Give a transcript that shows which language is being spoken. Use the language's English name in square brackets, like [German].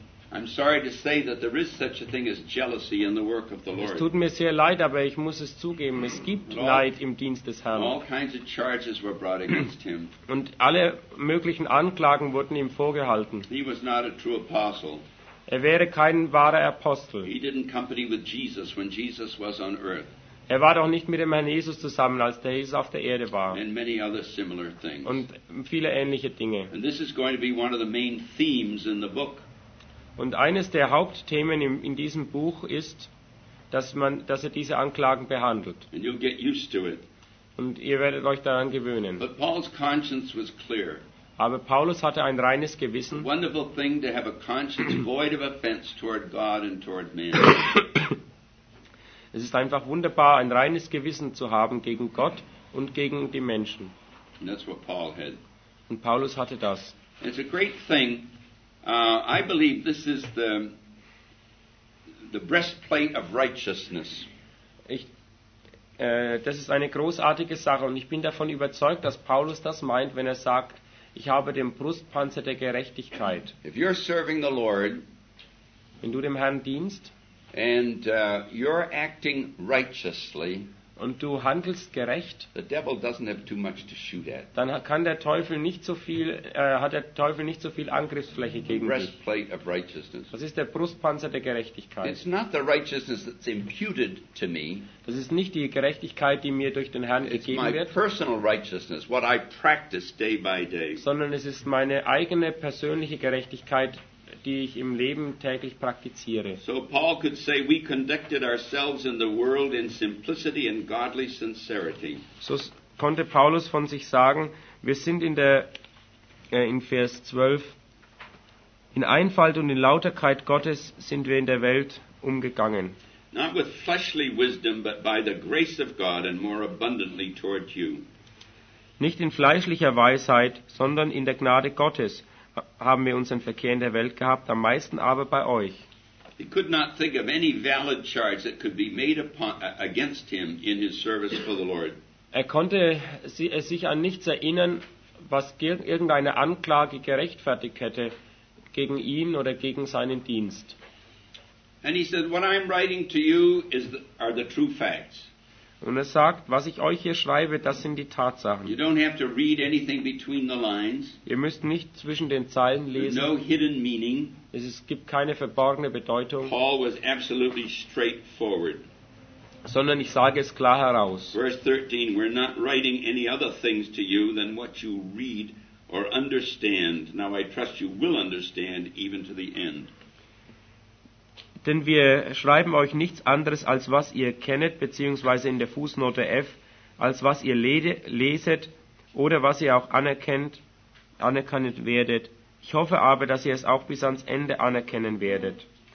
[English] I'm sorry to say that there is such a thing as jealousy in the work of the Lord. [German] Es tut mir sehr leid, aber ich muss es zugeben, es gibt Neid im Dienst des Herrn. [English] All kinds of charges were brought against him. [German] Und alle möglichen Anklagen wurden ihm vorgehalten. [English] He was not a true apostle. [German] Er wäre kein wahrer Apostel. [English] He didn't company with Jesus when Jesus was on earth. [German] Er war doch nicht mit dem Herrn Jesus zusammen, als der Jesus auf der Erde war. [English] And many other similar things. [German] Und viele ähnliche Dinge. [English] And this is going to be one of the main themes in the book. [German] Und eines der Hauptthemen in diesem Buch ist, dass er diese Anklagen behandelt. [English] And you'll get used to it. [German] Und ihr werdet euch daran gewöhnen. [English] But Paul's conscience was clear. [German] Aber Paulus hatte ein reines Gewissen. [English] A wonderful thing to have a conscience void of offense toward God and toward man. [German] Es ist einfach wunderbar, ein reines Gewissen zu haben gegen Gott und gegen die Menschen. [English] And that's what Paul had. [German] Und Paulus hatte das. [English] It's a great thing. I believe this is the breastplate of righteousness. [German] Das ist eine großartige Sache, und ich bin davon überzeugt, dass Paulus das meint, wenn er sagt, ich habe den Brustpanzer der Gerechtigkeit. [English] If you're serving the Lord, [German] wenn du dem Herrn dienst, [English] and you're acting righteously, [German] und du handelst gerecht, [English] the devil doesn't have too much to shoot at. [German] Dann kann der Teufel nicht so viel, hat der Teufel nicht so viel Angriffsfläche gegen dich. Das ist der Brustpanzer der Gerechtigkeit. [English] It's not the righteousness that's imputed to me. [German] Das ist nicht die Gerechtigkeit, die mir durch den Herrn [English] it's [German] gegeben [English] my [German] wird, [English] personal righteousness, what I practice day by day. [German] Sondern es ist meine eigene persönliche Gerechtigkeit, die ich im Leben täglich praktiziere. [English] So Paul could say, we conducted ourselves in the world in simplicity and godly sincerity. [German] So konnte Paulus von sich sagen, wir sind in Vers 12, in Einfalt und in Lauterkeit Gottes sind wir in der Welt umgegangen. [English] Not with fleshly wisdom, but by the grace of God and more abundantly toward you. [German] Nicht in fleischlicher Weisheit, sondern in der Gnade Gottes haben wir unseren Verkehr in der Welt gehabt, am meisten aber bei euch. [English] He could not think of any valid charge that could be made upon, against him in his service for the Lord. [German] Er konnte sich an nichts erinnern, was irgendeine Anklage gerechtfertigt hätte gegen ihn oder gegen seinen Dienst. [English] And he said, what I'm writing to you are the true facts. [German] Und er sagt, was ich euch hier schreibe, das sind die Tatsachen. [English] You don't have to read anything between the lines. [German] Ihr müsst nicht zwischen den Zeilen lesen. [English] No hidden meaning. [German] Es gibt keine verborgene Bedeutung. [English] Paul was absolutely straightforward. [German] sondern ich sage es klar heraus. [English] Verse 13, we're not writing any other things to you than what you read or understand. Now I trust you will understand even to the end. [German] Denn wir schreiben euch nichts anderes, als was ihr kennet, beziehungsweise in der Fußnote F, als was ihr leset oder was ihr auch anerkannt werdet. Ich hoffe aber, dass ihr es auch bis ans Ende anerkennen werdet.